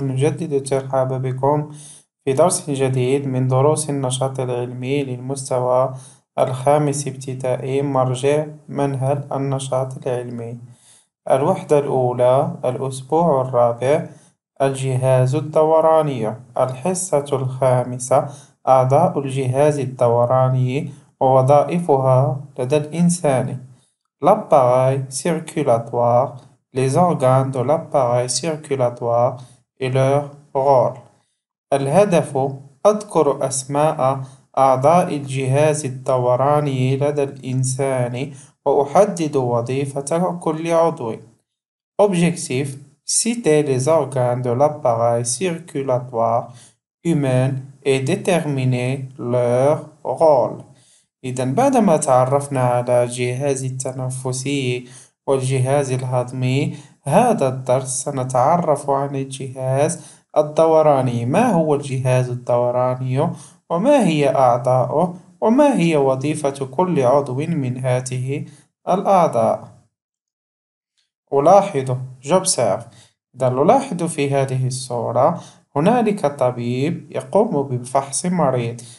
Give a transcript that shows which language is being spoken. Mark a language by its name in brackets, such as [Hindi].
[Arabic] نجدد الترحاب بكم في درس جديد من دروس النشاط العلمي للمستوى الخامس ابتدائي، مرجع منهل النشاط العلمي، الوحدة الأولى، الأسبوع الرابع، الجهاز الدوراني، الحصة الخامسة، أعضاء الجهاز الدوراني ووظائفها لدى الإنسان. [French] لاباي سيركولاتوار، les organes de l'appareil circulatoire et leur rôle. [Arabic] الهدف أذكر أسماء أعضاء الجهاز الدوراني لدى الإنسان وأحدد وظيفة كل عضو. [French] Objectif: citer les organes de l'appareil circulatoire humain et déterminer leur rôle. [Arabic] إذن بعدما تعرفنا على الجهاز التنفسي والجهاز الهضمي، هذا الدرس سنتعرف عن الجهاز الدوراني. ما هو الجهاز الدوراني؟ وما هي أعضاؤه؟ وما هي وظيفة كل عضو من هذه الأعضاء؟ ألاحظه [French] جوبسيرف، [Arabic] إذا نلاحظ في هذه الصورة هنالك طبيب يقوم بفحص مريض.